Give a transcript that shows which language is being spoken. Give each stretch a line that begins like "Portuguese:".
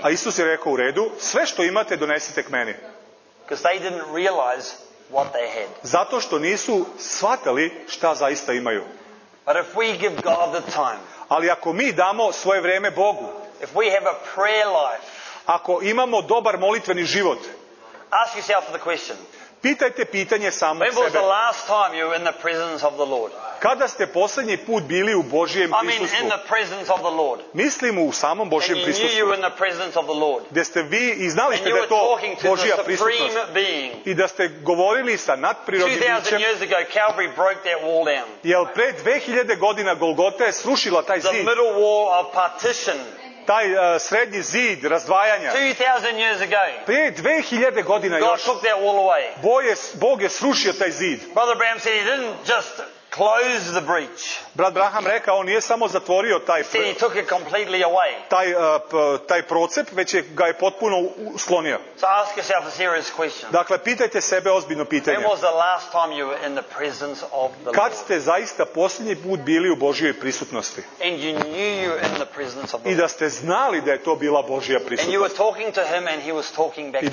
Serbian: A Isus je rekao, u redu, sve što imate donesite k meni.
English: Because they didn't realize what they had.
Serbian: Zato što nisu shvatali šta zaista imaju.
English: But if we give God the time.
Serbian: Ali ako mi damo svoje vrijeme Bogu.
English: If we have a prayer life.
Serbian: Ako imamo dobar molitveni život.
English: Ask yourself the question.
Serbian: Pitajte pitanje samo sebe.
English: When was the last time you were in the presence of the Lord?
Serbian: Kada ste posljednji put bili u Božjem prisustvu?
English: In the presence of the Lord.
Serbian: Mislim u samom Božjem prisustvu.
English: And you knew in the presence of the Lord.
Serbian: Da ste vi i znali ste da to Božja prisutnost. I da ste govorili sa nadprirodnim bićem.
English: 2000 years ago Calvary broke that wall down.
Serbian: Jel pre 2000 godina Golgota je srušila taj zid.
English: The middle wall of partition.
Serbian: Taj srednji zid razdvajanja.
English: 2000 years ago.
Serbian: Prije 2000 godina
English: God
Serbian: još.
English: Took that wall away.
Serbian: Bog je srušio taj zid.
English: Brother Bram said he didn't just close the breach.
Serbian: Brat Braham rekao, on nije samo zatvorio taj
English: he took it completely away.
Serbian: Taj procep, već je ga je potpuno sklonio.
English: So ask yourself a serious question.
Serbian: Dakle, pitajte sebe ozbiljno pitanje.
English: When was the last time you were in the presence of the Lord?
Serbian: Kad ste zaista posljednji put bili u Božjoj prisutnosti?
English: And you knew you were in the presence of the Lord.
Serbian: I da ste znali da je to bila Božja prisutnost.
English: And you were talking to him and he was talking back to you.